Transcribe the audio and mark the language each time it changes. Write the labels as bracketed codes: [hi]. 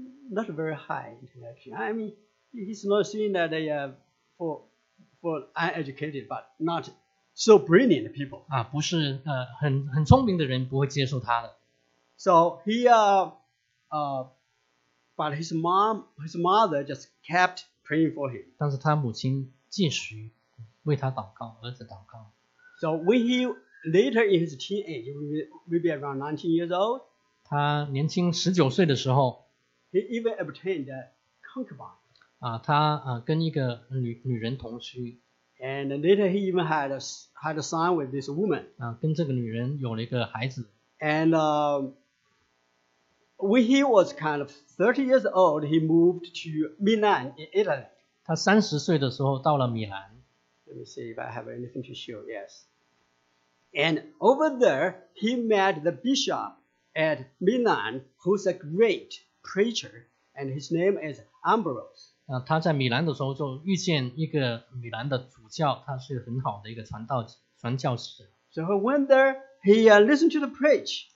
[en] Not very high intellectual. I mean, he's not saying that they are for uneducated, but not so brilliant people. [zh] 不是很聪明的人不会接受他的。 [en] So he But his mother just kept praying for him. [zh] 但是他母亲继续为他祷告，儿子祷告。 [en] So when he later in his teenage, maybe around 19 years old, [zh] 他年轻十九岁的时候 [en] he even obtained a concubine. [zh] 啊，他啊跟一个女人同居。 [en] And later he even had a son with this woman. [zh] 啊，跟这个女人有了一个孩子。 [en] And when he was kind of 30 years old, he moved to Milan in Italy. [zh] 他三十岁的时候到了米兰。 [en] Let me see if I have anything to show. Yes. And over there, he met the bishop at Milan, who's a great preacher, and his name is Ambrose. [zh] 他在米兰的时候就遇见一个米兰的主教，他是很好的一个传教士。 [en] So he went there, he listened to the preach.